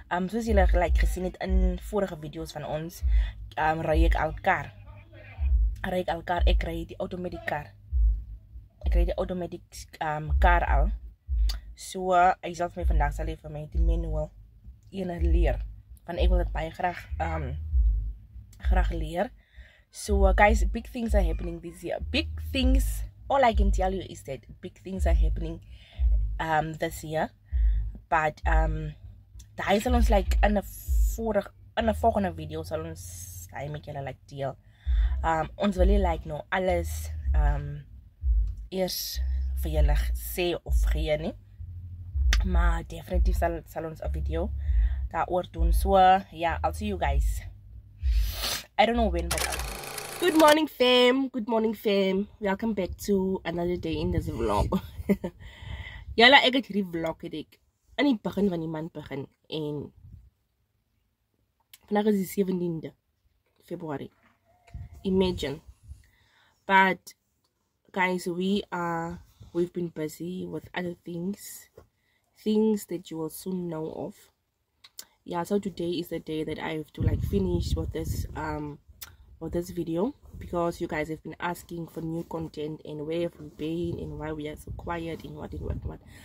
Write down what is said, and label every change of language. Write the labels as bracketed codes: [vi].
[af] Soos julle gelijk gesien het in vorige video's van ons, rui ek al kar, ek rui die auto met die kar. Ek rui die auto met die kar al. So, hy sal my vandag sal hy van my die manual ene leer. Want ek wil dit baie graag leer. [en] So guys, big things are happening this year. Big things, all I can tell you is that big things are happening this year. [af] But die sal ons like in 'n volgende video sal ons die met julle like deel. Ons wil nie like nou alles eers vir julle sê of gee nie. Maar definitief sal ons 'n video daar oor doen, [en] so, yeah, I'll see you guys. I don't know when, but I'll... Good morning, fam. Welcome back to another day in this vlog. [af] Jala, ek het hierdie vlog, het ek in die begin van die maand begin, en vandag is die 17de February. [en] Imagine. But, guys, we've been busy with other things that you will soon know of. Yeah, so today is the day that I have to like finish with this video, because you guys have been asking for new content and where have we been and why we are so quiet and what.